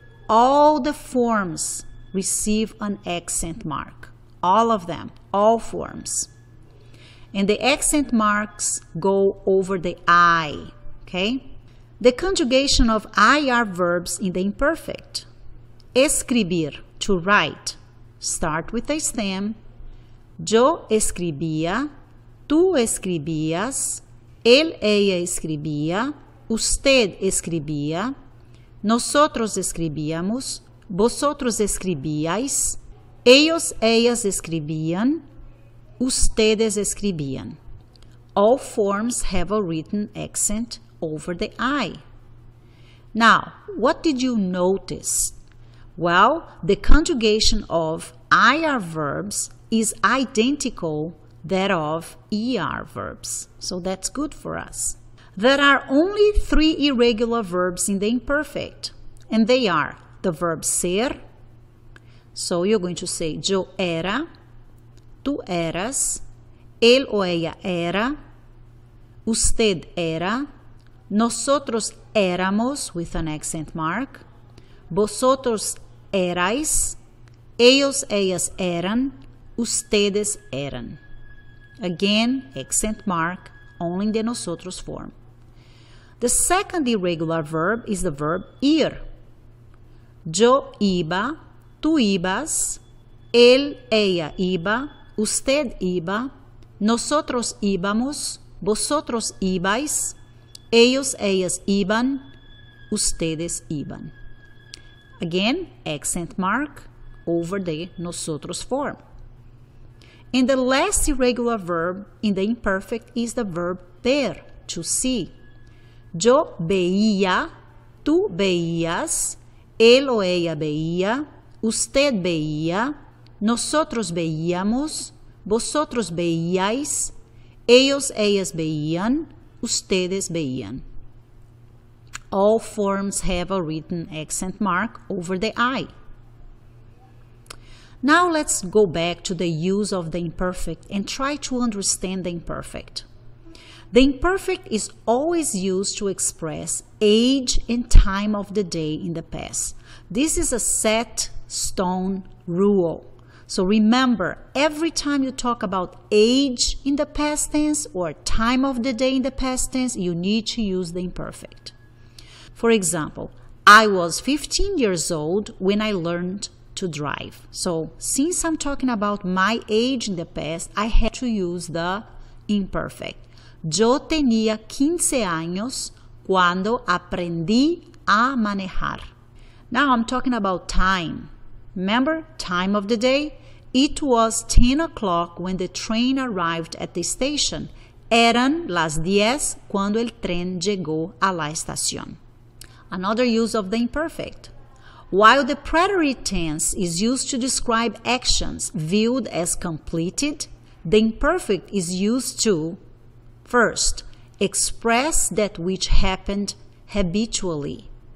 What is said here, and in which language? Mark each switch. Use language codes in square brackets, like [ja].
[en] All the forms receive an accent mark. All of them, all forms. And the accent marks go over the I, okay? The conjugation of IR verbs in the imperfect. Escribir, to write. Start with a stem. [es] Yo escribía, tú escribías, él, ella escribía, usted escribía, nosotros escribíamos, vosotros escribíais, ellos, ellas escribían, ustedes escribían. [en] All forms have a written accent over the I. Now, what did you notice? Well, the conjugation of IR verbs is identical that of ER verbs. So that's good for us. There are only three irregular verbs in the imperfect, and they are the verb ser. So you're going to say [es] yo era, tú eras, él o ella era, usted era, nosotros éramos [en] with an accent mark, [es] vosotros erais, ellos, ellas eran, ustedes eran. [en] Again, accent mark only in the nosotros form. The second irregular verb is the verb ir. [es] Yo iba, tú ibas, él, ella iba, usted iba, nosotros íbamos, vosotros ibais, ellos, ellas iban, ustedes iban. [en] Again, accent mark over the nosotros form. And the last irregular verb in the imperfect is the verb ver, to see. [es] Yo veía, tú veías, él o ella veía, usted veía, nosotros veíamos, vosotros veíais, ellos, ellas veían, ustedes veían. [en] All forms have a written accent mark over the I. Now let's go back to the use of the imperfect and try to understand the imperfect. The imperfect is always used to express age and time of the day in the past. This is a set stone rule. So remember, every time you talk about age in the past tense or time of the day in the past tense, you need to use the imperfect. For example, I was 15 years old when I learned to drive. So since I'm talking about my age in the past, I had to use the imperfect. [es] Yo tenía 15 años cuando aprendí a manejar. [en] Now I'm talking about time. Remember, time of the day? It was 10 o'clock when the train arrived at the station. [es] Eran las 10 cuando el tren llegó a la estación. [en] Another use of the imperfect. While the preterite tense is used to describe actions viewed as completed, the imperfect is used to, first, express that which happened habitually.